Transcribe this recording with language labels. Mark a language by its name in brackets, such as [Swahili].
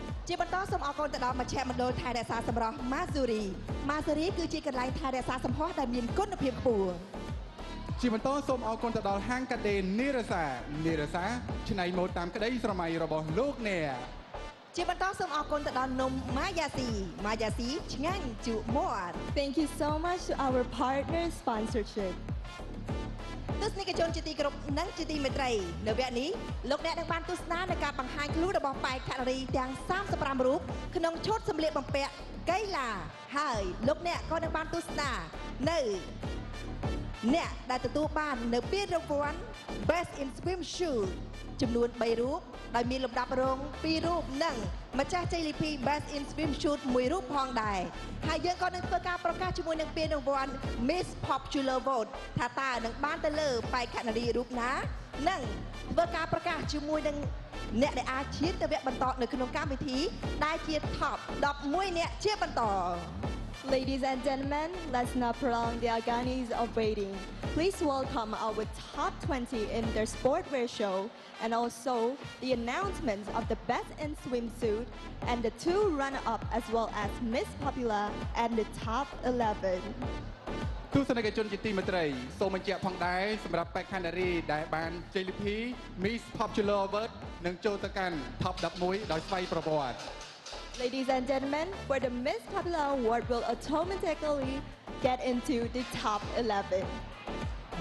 [Khmer] ជាបន្តសូមអរគុណទៅដល់មជ្ឈមណ្ឌលថែរក្សាសម្រស់ Masuri Masuri គឺជាកន្លែងថែរក្សាសម្ផស្សដែលមានគុណភាពខ្ពស់ជាបន្តសូមអរគុណទៅដល់ហាងកាដេនីរសានីរសាឆ្នៃម៉ូដតាមក្តីស្រមៃរបស់លោកអ្នក ជាបន្តសូមអរគុណទៅដល់នំ Mayasi Mayasi ឆ្ងាញ់ជក់មាត់ [English] Thank you so much to our partner sponsorship [Khmer] ទស្សនិកជនជាទីគោរពនិងជាទីមេត្រីនៅវគ្គនេះលោកអ្នកនឹងបានទស្សនានៅការបង្ហាញខ្លួនរបស់ប៉ែកខារីទាំង35រូបក្នុងឈុតសម្លៀកបំពាក់កីឡាហើយលោកអ្នកក៏នឹងបានទស្សនានៅ អ្នកដែលទទួលបាននៅពានរង្វាន់ Best in Swim Shoe ចំនួន3រូបដោយមានលំដាប់រង2រូបនិងម្ចាស់ជ័យលាភី Best in Swim Shoe 1រូបផងដែរហើយយើងក៏នឹងធ្វើការប្រកាសជាមួយនឹងពានរង្វាន់ Miss Popular Vote ថាតើនឹងបានទៅលើបេក្ខនារីរូបណានិងធ្វើការប្រកាសជាមួយនឹងអ្នកដែលអាចឈានទៅវគ្គបន្តនៅក្នុងកម្មវិធីដែលជា Top 11អ្នកជាបន្ត [English] Ladies and gentlemen, let's not prolong the agonies of waiting. Please welcome our top 20 in their sportswear show and also the announcements of the best in swimsuit and the two runner-up as well as Miss Popular and the top 11. [Khmer] ទស្សនិកជនជាទីមេត្រីសូមបញ្ជាក់ផងដែរសម្រាប់បេក្ខនារីដែលបានជ័យលាភី Miss Popular Award និងចូលទៅកាន់ Top 11ដោយស្វ័យប្រវត្តិ [English] Ladies and gentlemen, for the Miss Popular Award will automatically get into the top 11.